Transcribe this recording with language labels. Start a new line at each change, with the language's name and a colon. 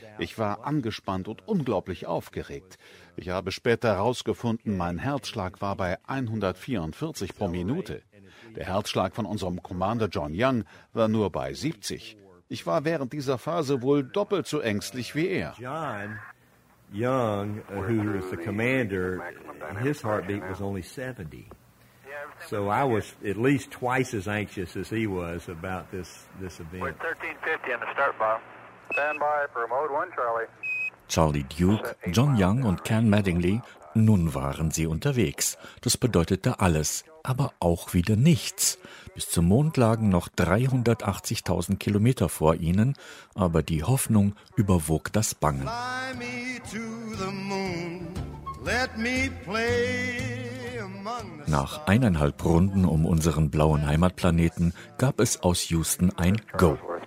German: Ich war angespannt und unglaublich aufgeregt. Ich habe später herausgefunden, mein Herzschlag war bei 144 pro Minute. Der Herzschlag von unserem Commander John Young war nur bei 70. Ich war während dieser Phase wohl doppelt so ängstlich wie er.
English: John Young, who was the commander, his heartbeat was only 70. So I was at least twice as anxious as he was about this event. We're 1350 on the start, Bob. Stand by for mode 1, Charlie.
German: Charlie Duke, John Young und Ken Mattingly, nun waren sie unterwegs. Das bedeutete alles, aber auch wieder nichts. Bis zum Mond lagen noch 380.000 Kilometer vor ihnen, aber die Hoffnung überwog das Bangen.
English: Fly me to the moon, let me play.
German: Nach 1,5 Runden um unseren blauen Heimatplaneten gab es aus Houston ein Go.